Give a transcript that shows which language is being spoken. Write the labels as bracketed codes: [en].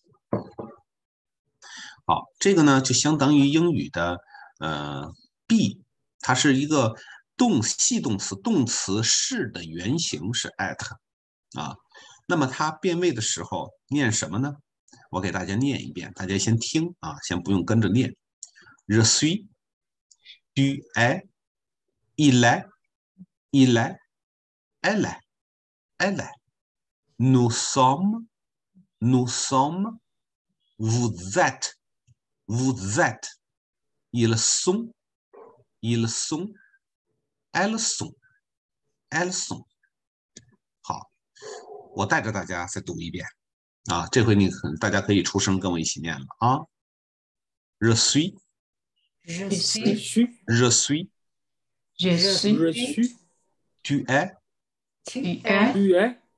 [zh] 好，这个呢就相当于英语的be， 它是一个动系动词，动词是的原型是 at 啊。那么它变位的时候念什么呢？我给大家念一遍，大家先听啊，先不用跟着念。 [fr] Je suis, tu es, il est, elle est, nous sommes, vous êtes, ils sont, elles sont, elles sont。 [zh] 我带着大家再读一遍啊，这回你大家可以出声跟我一起念了啊。 [fr] Je suis, je suis, je suis, je suis, je suis, tu es, tu es, tu es,